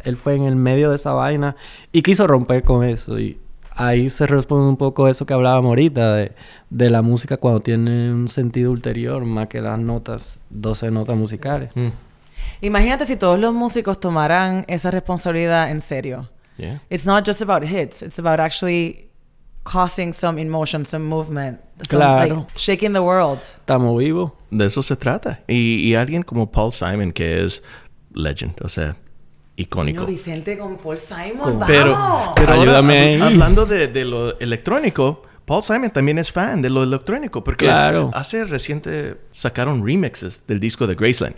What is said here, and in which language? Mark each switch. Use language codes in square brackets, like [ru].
[es] Él fue en el medio de esa vaina y quiso romper con eso. Y ahí se responde un poco eso que hablábamos ahorita de la música cuando tiene un sentido ulterior más que las notas, 12 notas musicales. Imagínate si todos los músicos tomaran esa responsabilidad en serio. [en] Yeah. It's not just about hits, it's about actually causing some emotion, some movement. [es] Claro. [en] Like shaking the world. [es] Estamos vivos. De eso se trata. Y alguien como Paul Simon, que es legend, o sea, icónico. Señor Vicente con Paul Simon, ¡vamos! Pero ayúdame ahora, ahí. Hablando de lo electrónico, Paul Simon también es fan de lo electrónico. Porque claro. Hace reciente sacaron remixes del disco de Graceland.